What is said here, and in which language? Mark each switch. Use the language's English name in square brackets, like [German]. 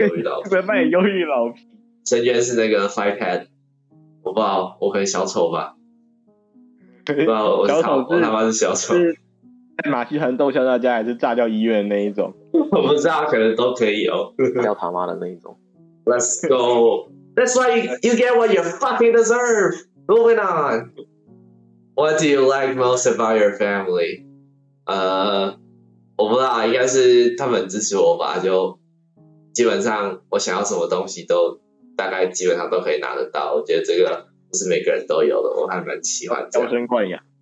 [Chinese] 忧郁老皮，深渊是那个 [English] Five Head， [Chinese] 我不知道，我可能小丑吧，不知道我是小丑是我他妈是小丑，是马戏团逗笑大家，还是炸掉医院那一种？我不知道，可能都可以哦，叫他妈的那一种。 [English] Let's go， That's why you get what you fucking deserve. Moving on， What do you like most about your family？ [Chinese] 我不知道，应该是他们支持我吧，就基本上我想要什么东西都大概基本上都可以拿得到，我觉得这个不是每个人都有的，我还蛮喜欢娇生惯养。